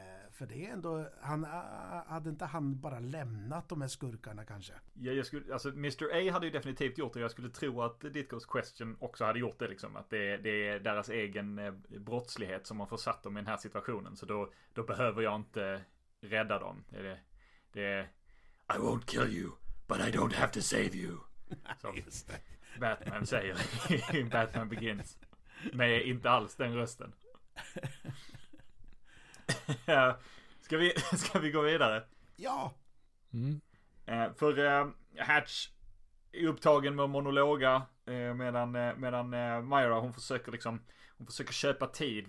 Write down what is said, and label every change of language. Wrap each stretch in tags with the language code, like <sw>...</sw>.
<sv>För det är ändå, hade inte han bara lämnat de här skurkarna kanske? Ja, alltså Mr. A hade ju definitivt gjort det. Jag skulle tro att Ditko's Question också hade gjort det, liksom. Att det är deras egen brottslighet som har försatt dem i den här situationen. Så då behöver jag inte rädda dem.</sv> <en>I won't kill you, but I don't have to save you.</en> <sv>Som Batman säger i Batman Begins. Men inte alls den rösten. Ska vi gå vidare? Ja. För Hatch är upptagen med monologa medan Myra, hon försöker liksom, hon försöker köpa tid.</sv>